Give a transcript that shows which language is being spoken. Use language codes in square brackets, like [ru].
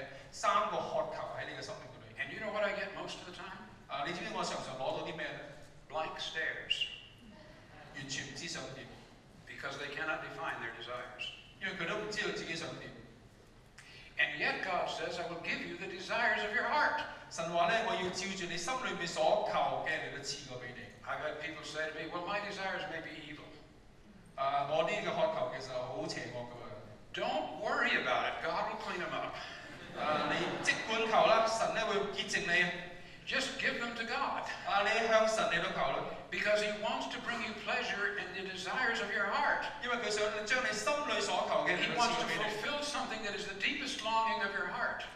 [yue] 喺一個退休營嘅裏面，我就會叫嗰啲嘅參與嘅人話，俾三個渴求喺你嘅生命嘅裏面。 [en] And you know what I get most of the time? [yue] 你知唔知我常常攞到啲咩咧？ [en] Blank stares. [yue] 完全唔知想點。 [en] Because they cannot define their desires. [yue] 因為佢都唔知道自己想點。 [en] And yet God says, I will give you the desires of your heart. [yue] 神話呢，我要照住你心裏面所求嘅，嚟到賜過俾你。 [en] I've had people say to me, well, my desires may be evil. [yue] 我呢個渴求其實好邪惡嘅。 [en] Don't worry about it, God will clean them up. [yue] 你即管求啦，神呢會潔淨你。 [en] Just give them to God. [yue] 你向神祈祷, [en] because he wants to bring you pleasure in the desires of your heart. He wants to fulfill something that is the deepest longing of your heart.